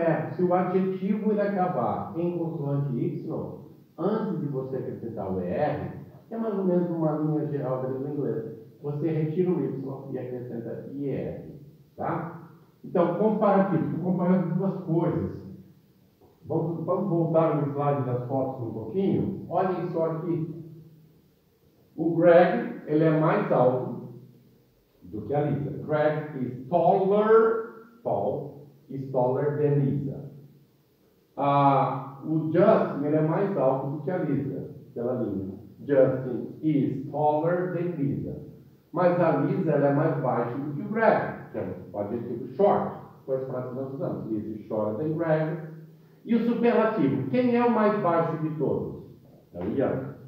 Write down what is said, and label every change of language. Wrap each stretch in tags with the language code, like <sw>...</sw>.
<pt>Se o adjetivo ele acabar em consoante Y, antes de você acrescentar o ER, que é mais ou menos uma linha geral da língua inglesa, você retira o Y e acrescenta IR, tá? Então, comparativo. Comparando duas coisas. Vamos voltar no slide das fotos um pouquinho. Olhem só aqui. O Greg, ele é mais alto do que a Lisa.</pt> <en>Greg is taller, tall, is taller than Lisa.</en> <pt>O Justin, ele é mais alto do que a Lisa, pela linha.</pt> <en>Justin is taller than Lisa.</en> <pt>Mas a Lisa, ela é mais baixa do que o Greg, que é o adjetivo short, pois para que nós usamos.</pt> <en>Lisa is shorter than Greg.</en> <pt>E o superlativo, quem é o mais baixo de todos? É o Ian.</pt>